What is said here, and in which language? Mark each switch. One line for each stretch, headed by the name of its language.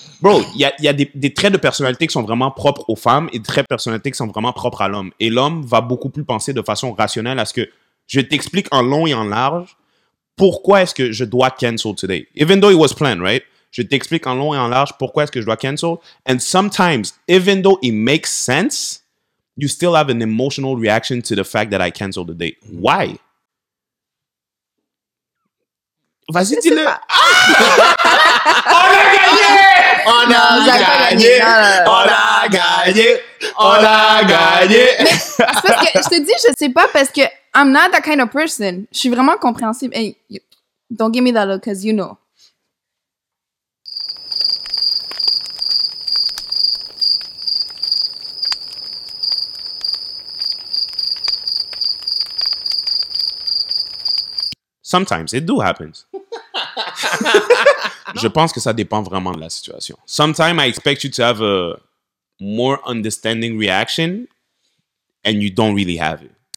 French: Bro, il y a des traits de personnalité qui sont vraiment propres aux femmes et des traits de personnalité qui sont vraiment propres à l'homme. Et l'homme va beaucoup plus penser de façon rationnelle à ce que... Je t'explique en long et en large pourquoi est-ce que je dois
English: cancel today. Even though it was planned, right?
French: Je t'explique en long et en large pourquoi est-ce que je dois cancel.
English: And sometimes, even though it makes sense, you still have an emotional reaction to the fact that I canceled the date. Why?
French: Vas-y, dis-le. Ah! On a gagné! On a gagné! On a gagné! On a gagné! Je te dis, je sais pas parce que
English: I'm not that kind of person.
French: Je suis vraiment compréhensible.
English: Hey, don't give me that look because you know. Sometimes it do happens.
French: Je pense que ça dépend vraiment de la situation.
English: Sometimes I expect you to have a more understanding reaction and you don't really have it.